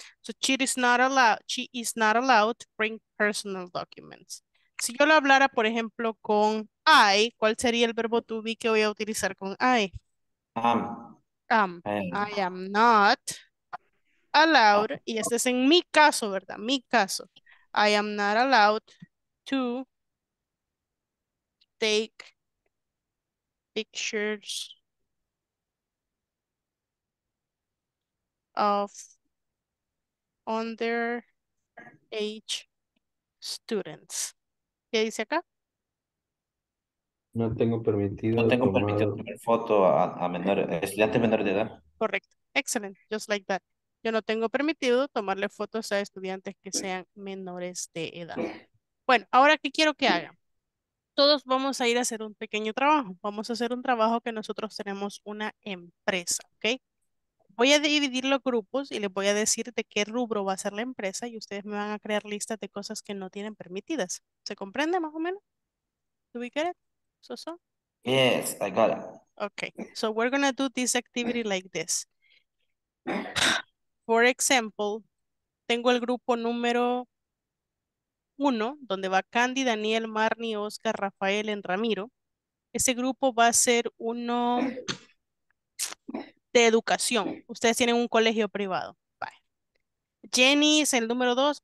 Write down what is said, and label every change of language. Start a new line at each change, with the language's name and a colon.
English: So she is not allowed, she is not allowed to print personal documents.
Spanish: Si yo lo hablara, por ejemplo, con I, ¿cuál sería el verbo to be que voy a utilizar con I?
English: I am not allowed,
Spanish: y este es en mi caso, ¿verdad? Mi caso.
English: I am not allowed to take pictures of underage students.
Spanish: ¿Qué dice acá? No tengo permitido. No tengo permitido tomar foto a menores, estudiantes menores de edad.
English: Correcto. Excellent. Just like that.
Spanish: Yo no tengo permitido tomarle fotos a estudiantes que sean menores de edad. Bueno, ahora, ¿qué quiero que haga? Todos vamos a ir a hacer un pequeño trabajo. Vamos a hacer un trabajo que nosotros tenemos una empresa, ¿ok? Voy a dividir los grupos y les voy a decir de qué rubro va a ser la empresa y ustedes me van a crear listas de cosas que no tienen permitidas. ¿Se comprende más o menos?
English: ¿Do we get it?
Spanish: ¿Soso?
English: Yes, I got it. Okay, so we're gonna do this activity like this. For example,
Spanish: tengo el grupo número 1, donde va Candy, Daniel, Marnie, Oscar, Rafael y Ramiro. Ese grupo va a ser uno de educación. Ustedes tienen un colegio privado. Bye. Jenny es el número 2.